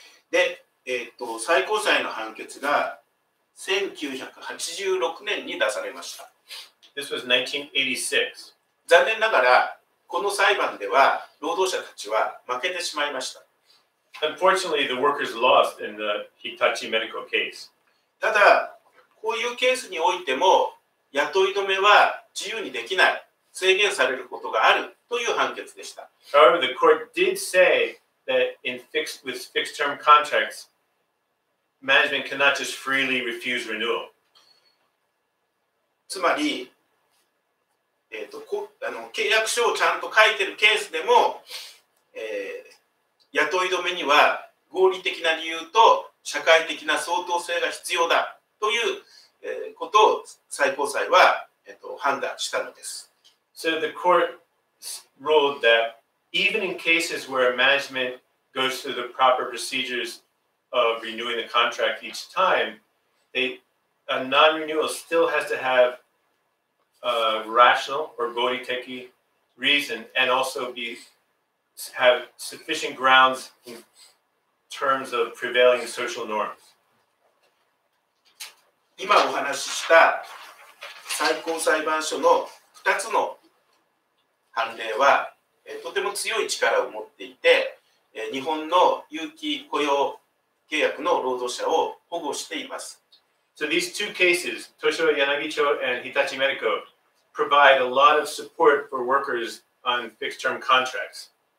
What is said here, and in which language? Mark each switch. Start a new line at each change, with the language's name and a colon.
Japanese: で、最高裁の判決が1986年に出されました。
English: This was 1986.
Japanese: 残念ながらこの裁判では労働者たちは負けてしまいました。
English: Unfortunately, the workers lost in the Hitachi Medical case.
Japanese: ただこういうケースにおいても雇い止めは自由にできない、制限されることがあるという判決でした。
English: However, the court did say that with fixed term contracts, management cannot just freely refuse renewal.
Japanese: つまり、契約書をちゃんと書いてるケースでも、雇い止めには合理的な理由と社会的な相当性が必要だという、ことを最高裁は、判断したのです。
English: So the court ruled that even in cases where management goes through the proper procedures of renewing the contract each time, a non-renewal still has to haveRational or goriteki reason and also have sufficient grounds in terms of prevailing social norms.
Japanese: 今お話しした最高裁判所の2つの判例はとても強い力を持っていて日本の有期雇用契約の労働者を保護しています。
English: So these two cases, Toshiba Yanagichiro and Hitachi Medical,provide a lot of support for workers on fixed term contracts.